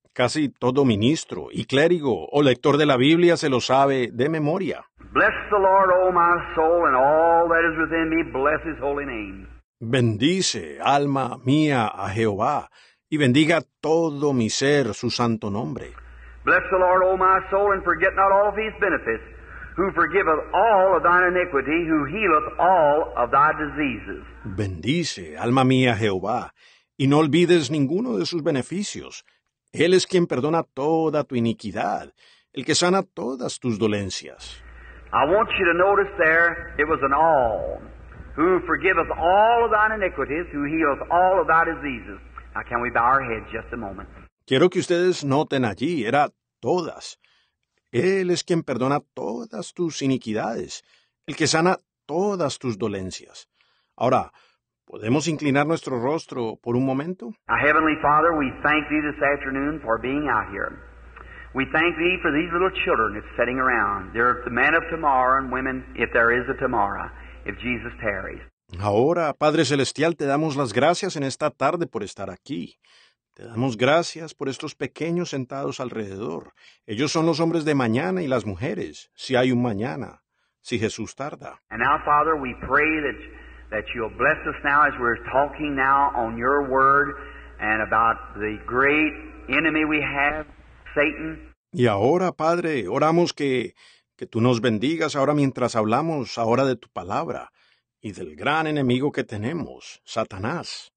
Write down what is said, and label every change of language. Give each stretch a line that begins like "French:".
Spanish: Casi todo ministro y clérigo o lector de la Biblia se lo sabe de memoria.
English: Bless the Lord, O my soul, and all that is within me, bless his holy name.
Spanish: Bendice, alma mía, a Jehová. Y bendiga todo mi ser su santo nombre.
English: Bless the Lord, O my soul, and forget not all of his benefits, who forgiveth all of thine iniquity, who healeth all of thy diseases.
Spanish: Bendice, alma mía, Jehová, y no olvides ninguno de sus beneficios. Él es quien perdona toda tu iniquidad, el que sana todas tus dolencias.
English: I want you to notice there, it was an all, who forgiveth all of thine iniquities, who healeth all of thy diseases. Now, can we bow our heads just a moment?
Spanish: Quiero que ustedes noten allí, era todas. Él es quien perdona todas tus iniquidades, el que sana todas tus dolencias. Ahora, ¿podemos inclinar nuestro rostro por un momento?
English: Our Heavenly Father, we thank thee this afternoon for being out here. We thank thee for these little children that's sitting around. They're the man of tomorrow and women, if there is a tomorrow, if Jesus tarries.
Spanish: Ahora, Padre Celestial, te damos las gracias en esta tarde por estar aquí. Te damos gracias por estos pequeños sentados alrededor. Ellos son los hombres de mañana y las mujeres, si hay un mañana, si Jesús tarda.
English: And now, Father, we pray that you'll bless us now as we're talking now on your word and about the great enemy we have, Satan.
Spanish: Y ahora, Padre, oramos que tú nos bendigas ahora mientras hablamos ahora de tu palabra. Y del gran enemigo que tenemos, Satanás.